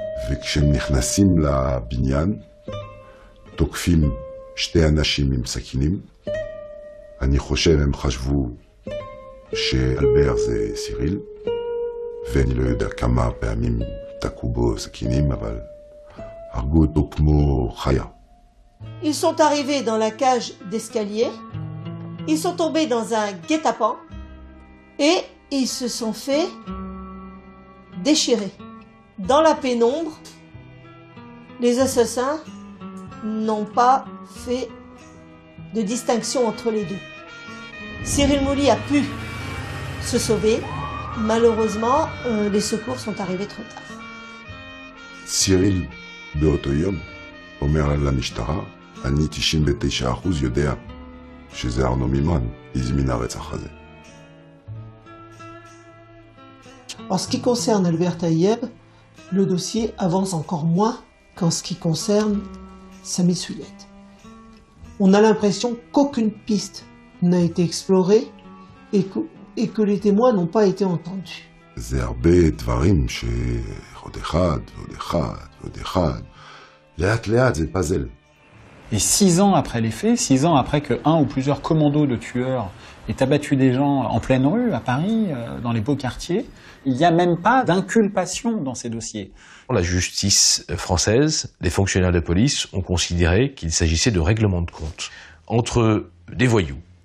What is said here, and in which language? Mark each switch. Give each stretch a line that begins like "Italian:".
Hebrew: וכשהם נכנסים לבניין, תוקפים שתי אנשים עם סכינים. אני חושב הם חשבו שאלבר זה סיריל, ואני לא יודע כמה פעמים תקעו בו סכינים, אבל הרגו אותו כמו חיה.
French: Ils sont arrivés dans la cage d'escalier, ils sont tombés dans un guet-apens et ils se sont fait déchirer. Dans la pénombre, les assassins n'ont pas fait de distinction entre les deux. Cyril Mouly a pu se sauver. Malheureusement, les secours sont arrivés trop tard.
Hebrew: Cyril, באותו יום, אומר על המשטרה, אני 99% יודע שזה ארנו מימן הזמין הרצח הזה.
French: En ce qui concerne Albert Taïeb, le dossier avance encore moins qu'en ce qui concerne Samy Souillette. On a l'impression qu'aucune piste n'a été explorée et que les témoins n'ont pas été entendus.
Hebrew: זה הרבה דברים שעוד אחד ועוד אחד ועוד אחד. לאט לאט זה פאזל.
French: Et 6 ans après les faits, 6 ans après que un ou plusieurs commandos de tueurs aient abattu des gens en pleine rue, à Paris, dans les beaux quartiers, il n'y a même pas d'inculpation dans ces dossiers. La justice française, les fonctionnaires de police ont considéré qu'il s'agissait de règlements de compte entre des voyous.